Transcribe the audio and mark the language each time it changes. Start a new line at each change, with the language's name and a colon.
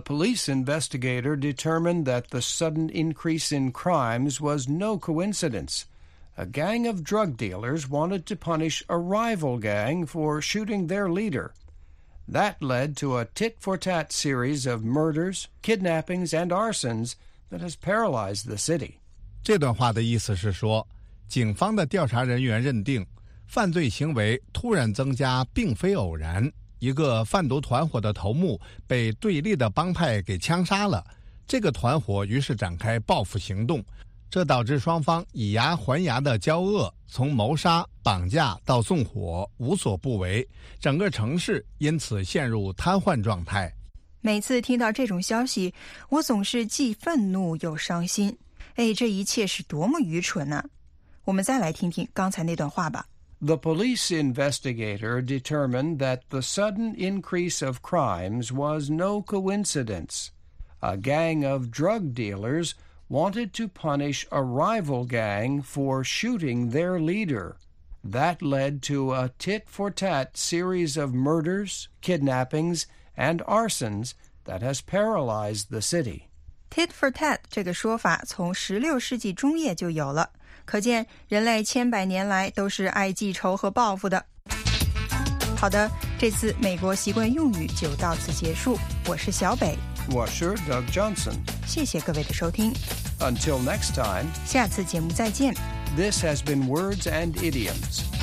English: police investigator determined that the sudden increase in crimes was no coincidence. A gang of drug dealers wanted to punish a rival gang for shooting their leader. That led to a tit-for-tat series of murders, kidnappings, and arsons that has paralyzed the city.
Chinese: 这段话的意思是说，警方的调查人员认定，犯罪行为突然增加并非偶然。一个贩毒团伙的头目被对立的帮派给枪杀了，这个团伙于是展开报复行动，这导致双方以牙还牙的交恶，从谋杀、绑架到纵火，无所不为，整个城市因此陷入瘫痪状态。每次听到这种消息，我总是既愤怒又伤心。哎，这一切是多么愚蠢啊！我们再来听听刚才那段话吧。
English: The police investigator determined that the sudden increase of crimes was no coincidence. A gang of drug dealers wanted to punish a rival gang for shooting their leader. That led to a tit-for-tat series of murders, kidnappings, and arsons that has paralyzed the city.
Chinese: Tit-for-tat 这个说法从16世纪中叶就有了。可见人类千百年来都是爱记仇和报复的。好的，这次美国习惯用语就到此结束。我是小北。我是 Doug Johnson。谢谢各位的收听。
English: Until next time.
Chinese: 下次节目再见。
English: This has been Words and Idioms.